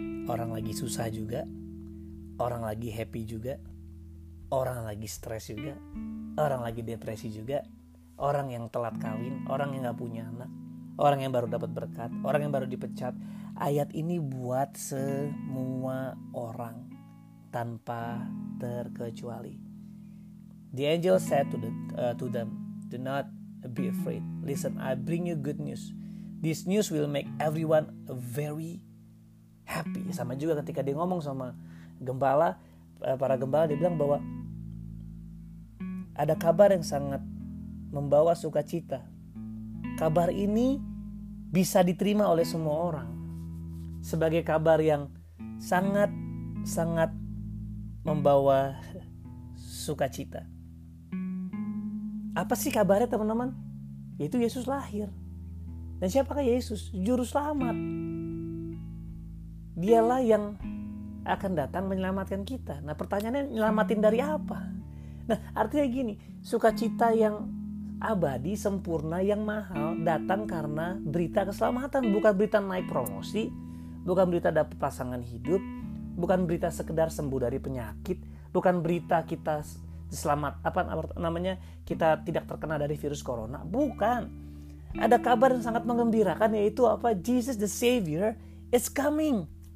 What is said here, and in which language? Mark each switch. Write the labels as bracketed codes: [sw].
[id] Orang lagi susah juga, orang lagi happy juga, orang lagi stres juga, orang lagi depresi juga, orang yang telat kawin, orang yang gak punya anak, orang yang baru dapat berkat, orang yang baru dipecat. Ayat ini buat semua orang. tanpa terkecuali. [en] The angel said to them, "Do not be afraid. Listen, I bring you good news. This news will make everyone very happy." [id] Sama juga ketika dia ngomong sama gembala, para gembala, dia bilang bahwa ada kabar yang sangat membawa sukacita. Kabar ini bisa diterima oleh semua orang sebagai kabar yang sangat-sangat membawa sukacita. Apa sih kabarnya, teman-teman? Yaitu Yesus lahir. Dan siapakah Yesus? Juru selamat. Dialah yang akan datang menyelamatkan kita. Nah, pertanyaannya, nyelamatin dari apa? Nah, artinya gini, sukacita yang abadi, sempurna, yang mahal datang karena berita keselamatan, bukan berita naik promosi, bukan berita dapat pasangan hidup, bukan berita sekedar sembuh dari penyakit, bukan berita kita selamat, kita tidak terkena dari virus corona, bukan. Ada kabar yang sangat menggembirakan, yaitu apa? [en] Jesus the Savior is coming.